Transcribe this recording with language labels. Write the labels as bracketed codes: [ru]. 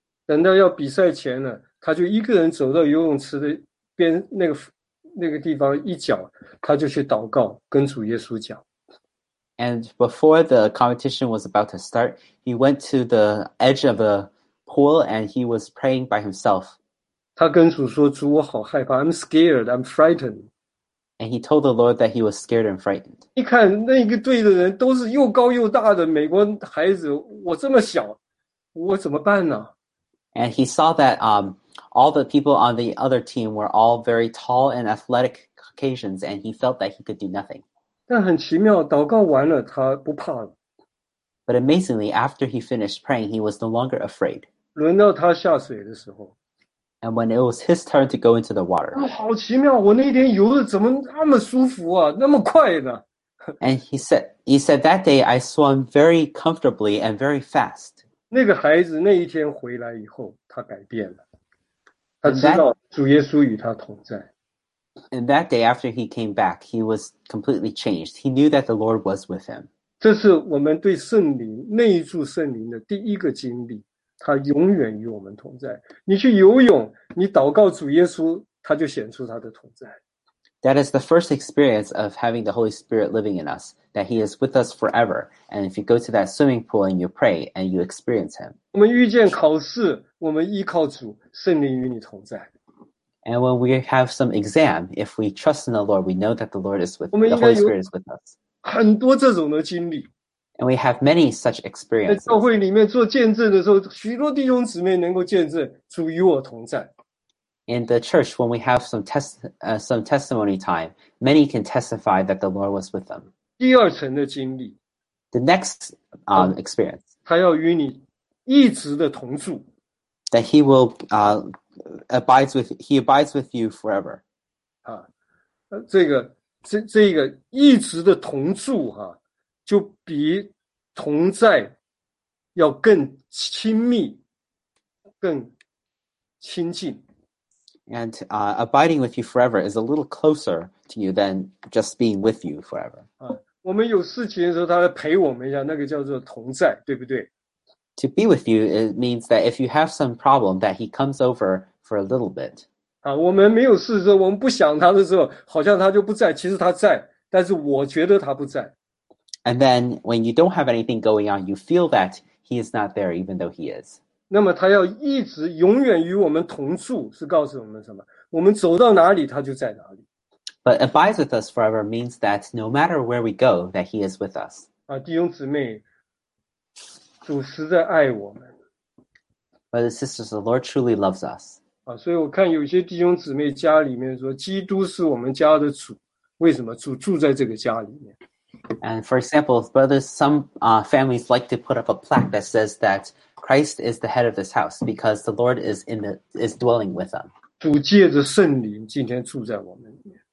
[zh] 等到要比赛前呢，他就一个人走到游泳池的边那个地方一角，他就去祷告，跟主耶稣讲。 [en] And before the competition was about to start, he went to the edge of the pool and he was praying by himself. [zh] 他跟主说，主，我好害怕 ， [en] I'm scared, I'm frightened. And he told the Lord that he was scared and frightened. [zh] 一看那个队的人都是又高又大的美国孩子，我这么小，我怎么办呢？ [en] And he saw that all the people on the other team were all very tall and athletic Caucasians, and he felt that he could do nothing. [zh] 但很奇妙，祷告完了，他不怕了。 [en] But amazingly, after he finished praying, he was no longer afraid. [zh] 轮到他下水的时候。 [en] And when it was his turn to go into the water. [zh] 好奇妙，我那天游得怎么那么舒服啊，那么快呢？ [en] And he said, that day I swam very comfortably and very fast. [zh] 那个孩子那一天回来以后，他改变了。他知道主耶稣与他同在。 [en] And that day after he came back, he was completely changed. He knew that the Lord was with him. [zh] 这是我们对圣灵，内住圣灵的第一个经历。他永远与我们同在。你去游泳，你祷告主耶稣，他就显出他的同在。 [en] That is the first experience of having the Holy Spirit living in us, that he is with us forever. And if you go to that swimming pool and you pray and you experience him. [zh] 我们遇见考试，我们依靠主，圣灵与你同在。 [en] And when we have some exam, if we trust in the Lord, we know that the Lord is with us, the Holy Spirit is with us. [zh] 很多这种的经历。 [en] And we have many such experiences. [zh] 在教会里面做见证的时候，许多弟兄姊妹能够见证主与我同在。 [en] In the church, when we have some testimony time, many can testify that the Lord was with them. [zh] 第二层的经历。 [en] The next experience. [zh] 他要与你一直的同住。 [en] That he will abides with you forever. [zh] 啊，这个一直的同住哈，就比同在要更亲密，更亲近。 [en] And abiding with you forever is a little closer to you than just being with you forever. [zh] 啊，我们有事情的时候，他来陪我们一下，那个叫做同在，对不对？ [en] To be with you, it means that if you have some problem, that he comes over for a little bit. [zh] 啊，我们没有事的时候，我们不想他的时候，好像他就不在。其实他在，但是我觉得他不在。 [en] And then when you don't have anything going on, you feel that he is not there, even though he is. [zh] 那么他要一直永远与我们同住，是告诉我们什么？我们走到哪里，他就在哪里。 [en] But abides with us forever means that no matter where we go, that he is with us. [zh] 啊，弟兄姊妹。主实在爱我们。 [en] But the sisters, the Lord truly loves us. [zh] 啊，所以我看有些弟兄姊妹家里面说，基督是我们家的主。为什么？主住在这个家里面。 [en] And for example, brothers, some families like to put up a plaque that says that Christ is the head of this house because the Lord is dwelling with them. [zh] 主借着圣灵今天住在我们里面。